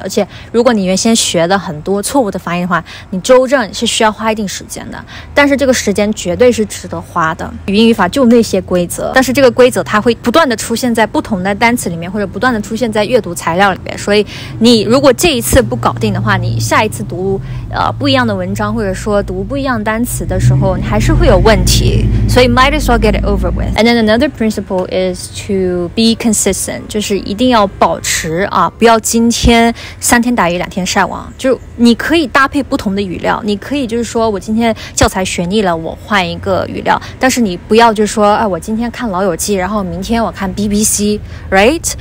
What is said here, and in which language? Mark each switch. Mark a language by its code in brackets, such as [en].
[zh] 而且如果你原先学的很多错误的发音的话，你纠正是需要花一定时间的，但是这个时间绝对是值得花的。语音语法就那些规则，但是这个规则它会不断的出现在不同的单词里面，或者不断的出现在阅读材料里面，所以你如果这一次不搞定的话，你下一次读不一样的文章或者说读不一样单词的时候，你还是会有问题。 [en] So you might as well get it over with. And then another principle is to be consistent. [zh] 就是一定要保持啊，不要今天三天打鱼两天晒网。就你可以搭配不同的语料，你可以就是说我今天教材学腻了，我换一个语料。但是你不要就是说啊，我今天看老友记，然后明天我看 BBC, [en] right?